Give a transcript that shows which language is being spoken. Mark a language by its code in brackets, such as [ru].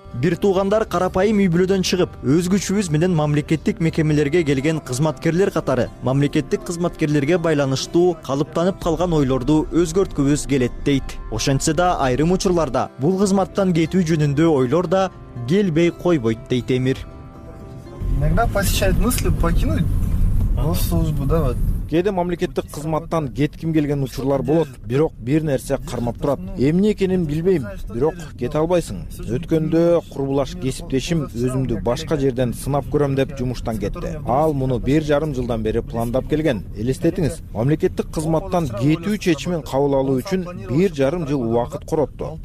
[ky] Бир туугандар карапайым үй бүлөдөн чыгып, өз күчүбүз менен мамлекеттик мекемелерге келген кызматкерлер катары мамлекеттик кызматкерлерге байланыштуу калыптанып калган ойлорду өзгөрткүбүз келет дейт. Ошентсе да айрым учурларда бул кызматтан кетүү жөнүндө ойлор да келбей койбойт дейт Эмир. [ru] Иногда посещает мысль покинуть госслужбу, да вот. [ky] Кээде мамлекеттик кызматтан кетким келген учурлар болот, бирок бир нерсе кармап турат. Эмне экенин билбейм, бирок кете албайсың. Өткөндө курбулаш кесиптешим өзүмдү башка жерден сынап көрөм деп жумуштан кетти. Ал муну 1.5 жылдан бери пландап келген. Элестетиңиз, мамлекеттик кызматтан кетүү чечимин кабыл алуу үчүн 1.5 жыл убакыт коротту.